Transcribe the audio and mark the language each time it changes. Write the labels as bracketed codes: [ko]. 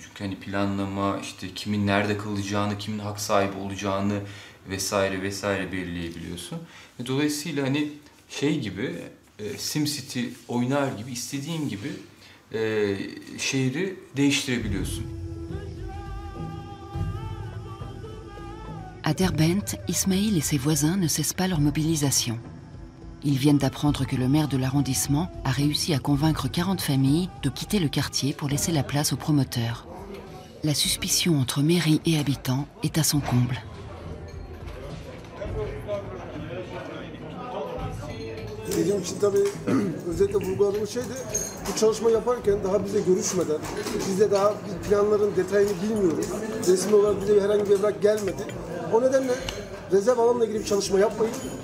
[tr] Çünkü hani planlama, işte kimin nerede kalacağını, kimin hak sahibi olacağını vesaire vesaire belirleyebiliyorsun. Dolayısıyla hani şey gibi SimCity oynar gibi istediğin gibi şehri değiştirebiliyorsun. [fr] À Derbent, Ismail et ses voisins ne cessent pas leur mobilisation. Ils viennent d'apprendre que le maire de l'arrondissement a réussi à convaincre 40 familles de quitter le quartier pour laisser la place aux promoteurs. La suspicion entre mairie et habitants est à son comble. [tr] Dediğim için tabii özellikle vurguladığım şey de bu çalışma yaparken daha bize görüşmeden biz de daha planların detayını bilmiyoruz. Resmi olarak bize herhangi bir evrak gelmedi. O nedenle rezerv alanına girip çalışma yapmayın.